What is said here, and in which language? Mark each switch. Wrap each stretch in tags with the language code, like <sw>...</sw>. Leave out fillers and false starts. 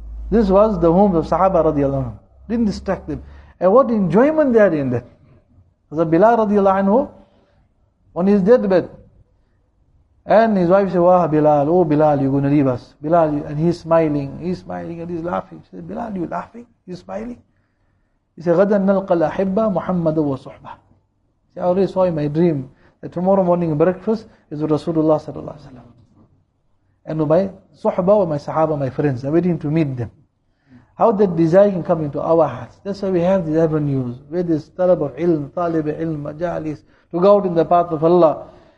<en>This was the home of Sahaba radiallahu anhu. Didn't distract them. And what enjoyment they had in that. As a Bilal radiallahu anhu, on his deathbed. And his wife said, wah Bilal, oh Bilal, you're going to leave us. Bilal, and he's smiling and he's laughing. She said, Bilal, you're laughing? You're smiling? He said,</en> <ar>غَدًا نَلْقَ الْأَحِبَّ مُحَمَّدَ وَصُحْبَةً.</ar> <en>I already saw in my dream that tomorrow morning breakfast is with Rasulullah sallallahu alayhi wa sallam. And my Sahaba or my Sahaba, my friends, I'm waiting to meet them. How that desire can come into our hearts. That's why we have these avenues, where this talab of ilm, talib ilm, majalis, to go out in the path of Allah.</en>